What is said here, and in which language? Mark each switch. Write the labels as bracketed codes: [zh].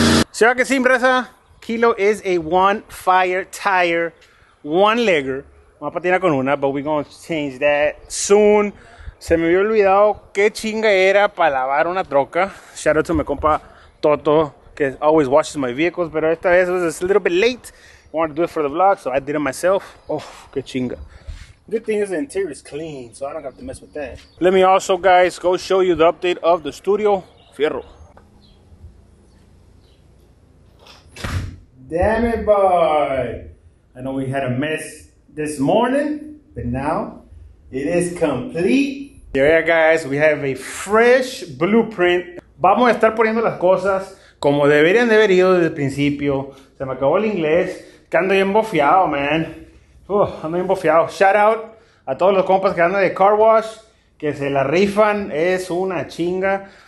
[es] ¿Será que sí, raza? [en] Kilo is a one fire tire, one legger. [es] Vamos a patinar con una, [en] but we're going to change that soon. [es] Se me había olvidado qué chinga era para lavar una troca. [en] Shout out to my compa Toto, [es] que [en] always washes my vehicles, [es] pero esta vez [en] it was a little bit late. I wanted to do it for the vlog, so I did it myself. [es] Oh, qué chinga. [en] Good thing is the interior is clean, so I don't have to mess with that. Let me also, guys, go show you the update of the studio. Fierro. Damn it, boy. I know we had a mess this morning, but now it is complete. Yeah, guys, we have a fresh blueprint. [es] Vamos a estar poniendo las cosas como deberían de haber ido desde el principio. Se me acabó el inglés. Que ando bien bofiado, [en] man. [es] Ando bien bofiado. [en] Shout out [es] a todos los compas que andan de car wash, que se la rifan. Es una chinga.